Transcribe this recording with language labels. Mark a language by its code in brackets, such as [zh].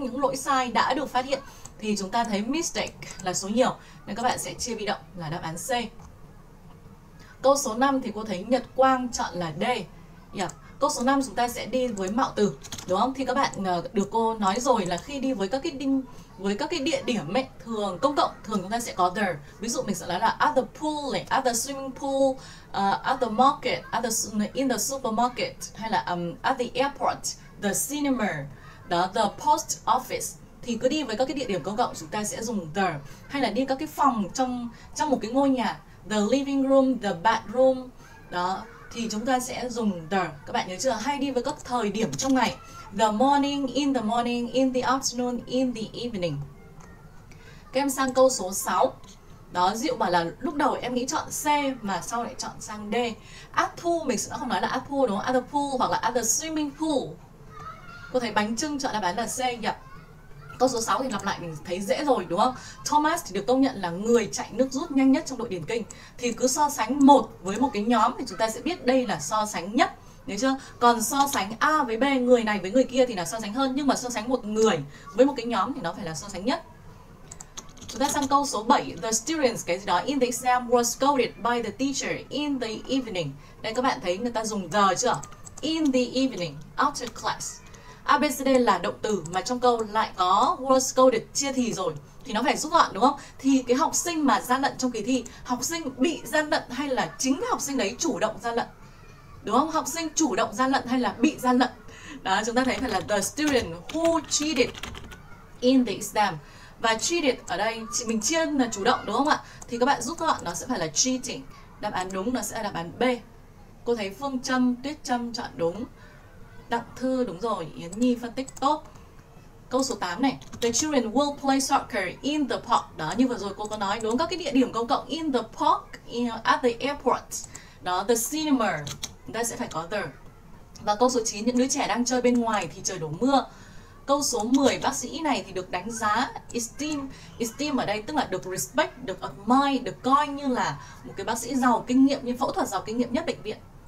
[vi] Những lỗi sai đã được phát hiện thì chúng ta thấy mistake là số nhiều nên các bạn sẽ chia bị động là đáp án C. Câu số 5 thì cô thấy Nhật Quang chọn là D. Yeah. Câu số 5 chúng ta sẽ đi với mạo từ, đúng không? Thì các bạn được cô nói rồi là khi đi với các cái đinh, với các cái địa điểm ấy, thường công cộng thường chúng ta sẽ có the. Ví dụ mình sẽ nói là [en] at the pool [vi] này, [en] at the swimming pool, at the market, at the in the supermarket, [vi] hay là [en] at the airport, the cinema, the post office. [vi] thì cứ đi với các cái địa điểm công cộng, chúng ta sẽ dùng the, hay là đi các cái phòng trong trong một cái ngôi nhà, [en] the living room, the bedroom, [vi] đó thì chúng ta sẽ dùng the, các bạn nhớ chưa? Hay đi với các thời điểm trong ngày, [en] the morning, in the morning, in the afternoon, in the evening. [vi] Các em sang câu số 6. Đó, Diệu bảo là lúc đầu em nghĩ chọn C mà sau lại chọn sang D. [en] At pool, [vi] mình sẽ không nói là [en] at pool [vi] đúng không? [en] At the pool [vi] hoặc là [en] at the swimming pool. [vi] Cô thấy bánh trưng chọn đáp án là C nhỉ? Câu số 6 thì lặp lại mình thấy dễ rồi đúng không? Thomas thì được công nhận là người chạy nước rút nhanh nhất trong đội điền kinh. Thì cứ so sánh một với một cái nhóm thì chúng ta sẽ biết đây là so sánh nhất. Đấy chưa? Còn so sánh A với B, người này với người kia thì là so sánh hơn. Nhưng mà so sánh một người với một cái nhóm thì nó phải là so sánh nhất. Chúng ta sang câu số 7. [en] The students, [vi] cái gì đó, [en] in the exam was scolded by the teacher in the evening. [vi] Đây các bạn thấy người ta dùng the chưa? [en] In the evening, after class. [vi] ABCD là động từ mà trong câu lại có was scolded chia thì rồi. Thì nó phải rút gọn đúng không? Thì cái học sinh mà gian lận trong kỳ thi, học sinh bị gian lận hay là chính học sinh đấy chủ động gian lận? Đúng không? Học sinh chủ động gian lận hay là bị gian lận? Đó, chúng ta thấy phải là [en] the student who cheated in the exam. [vi] Và cheated ở đây mình chia là chủ động đúng không ạ? Thì các bạn rút gọn nó sẽ phải là cheating. Đáp án đúng nó sẽ là đáp án B. Cô thấy Phương Trâm, Tuyết Trâm chọn đúng. Đặng Thư đúng rồi, Yến Nhi phân tích tốt. Câu số 8 này. [en] The children will play soccer in the park. [vi] Đó, như vừa rồi cô có nói đúng các cái địa điểm công cộng. [en] In the park, in, at the airport. [vi] Đó, [en] the cinema. [vi] Chúng ta sẽ phải có the. Và câu số 9. Những đứa trẻ đang chơi bên ngoài thì trời đổ mưa. Câu số 10, bác sĩ này thì được đánh giá esteem. Esteem ở đây tức là được respect, được admire, được coi như là một cái bác sĩ giàu kinh nghiệm, như phẫu thuật giàu kinh nghiệm nhất bệnh viện.